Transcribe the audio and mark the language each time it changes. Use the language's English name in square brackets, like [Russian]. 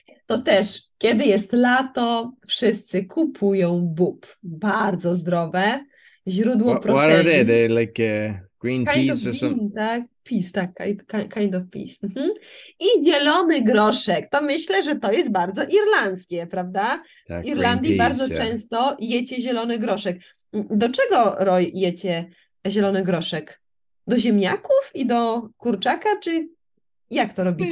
[Polish] To też, kiedy jest lato, wszyscy kupują bób. Bardzo zdrowe. Źródło proteiny. [English] What are they? Like green peas or something? [Polish] Tak? Peace, tak, [English] kind of peace. [Polish] I zielony groszek. To myślę, że to jest bardzo irlandzkie, prawda? W Tak, [English] green [Polish] Irlandii bardzo [English] peas, yeah. [Polish] często jecie zielony groszek. Do czego, Roy, jecie zielony groszek? Do ziemniaków i do kurczaka, czy jak to robicie